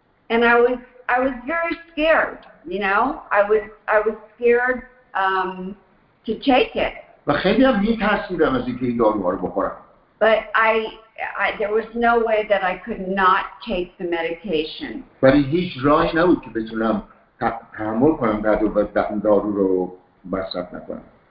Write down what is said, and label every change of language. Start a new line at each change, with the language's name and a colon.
English: And I was very scared, you know? I was scared to take it.
Persian: و خیلی هم می‌ترسیدم از اینکه این داروها رو بخورم.
English: But I there was no way that I could not take the medication.
Persian: ولی هیچ راهی نبود که بتونم تحمل کنم بعد و دارو رو مصرف نکنم.